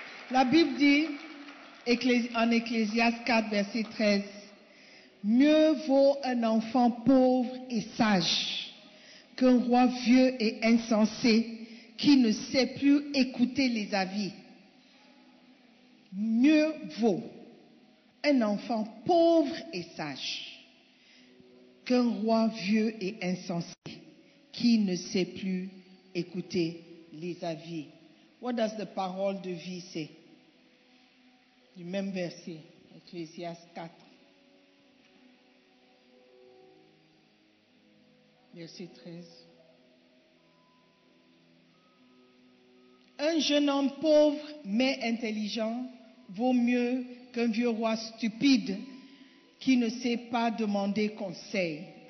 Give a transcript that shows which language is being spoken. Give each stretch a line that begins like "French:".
French: La Bible dit, en Ecclésiaste 4, verset 13, « Mieux vaut un enfant pauvre et sage qu'un roi vieux et insensé qui ne sait plus écouter les avis. » Mieux vaut un enfant pauvre et sage qu'un roi vieux et insensé qui ne sait plus écouter les avis.
English: What does the parole de vie say?
French: Du même verset, Ecclésiaste 4, verset 13. Un jeune homme pauvre mais intelligent vaut mieux qu'un vieux roi stupide qui ne sait pas demander conseil.